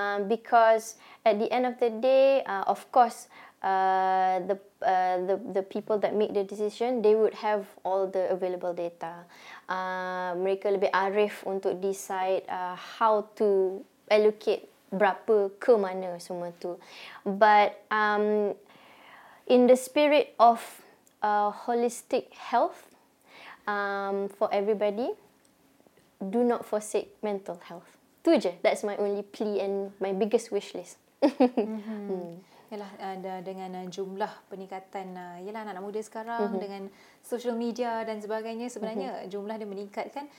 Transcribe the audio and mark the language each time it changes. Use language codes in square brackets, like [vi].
[en] Because at the end of the day, of course, the people that make the decision, they would have all the available data. [ms] Mereka lebih arif untuk [en] decide how to allocate [ms] berapa ke mana semua tu. [en] But in the spirit of holistic health for everybody, do not forsake mental health. [ms] Tu je, [en] that's my only plea and my biggest wish list. [ms] Yalah, dengan jumlah peningkatan yalah anak-anak muda sekarang dengan social media dan sebagainya, sebenarnya jumlah dia meningkat kan.